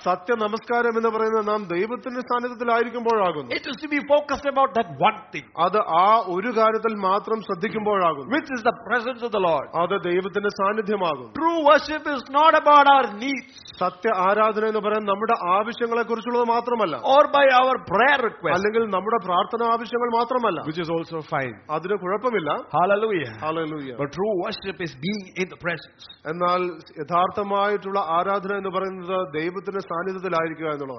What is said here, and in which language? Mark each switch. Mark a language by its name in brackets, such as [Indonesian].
[Malayalam] സത്യ നമസ്കാരം എന്ന് പറയുന്നത് നാം ദൈവത്തിന്റെ സാന്നിധ്യത്തിൽ ആയിരിക്കുമ്പോഴാകുന്നു. [English] It is to be focused about that one thing. [Malayalam] അത് ആ ഒരു കാര്യത്തിൽ മാത്രം ശ്രദ്ധിക്കുമ്പോഴാകുന്നു. [English] Which is the presence of the Lord. [Malayalam] അത് ദൈവത്തിന്റെ സാന്നിധ്യമാകുന്നു. [English] True worship is not about our needs. [Malayalam] സത്യ ആരാധന എന്ന് പറയുന്നത് നമ്മുടെ ആവശ്യങ്ങളെ കുറിച്ചുള്ളത് മാത്രമല്ല. [English] Or by our prayer request. [Malayalam] അല്ലെങ്കിൽ നമ്മുടെ പ്രാർത്ഥന ആവശ്യങ്ങൾ മാത്രമല്ല. [English] Which is also fine. [Malayalam] അതിന് കുഴപ്പമില്ല. [English] Hallelujah. [Malayalam] Hallelujah. [English] But true worship is being in the presence. [Malayalam] എന്നാൽ യഥാർത്ഥമായിട്ടുള്ള ആരാധന എന്ന് പറയുന്നത് ദൈവത്തിന്റെ സാന്നിധ്യത്തിലായിരിക്കുക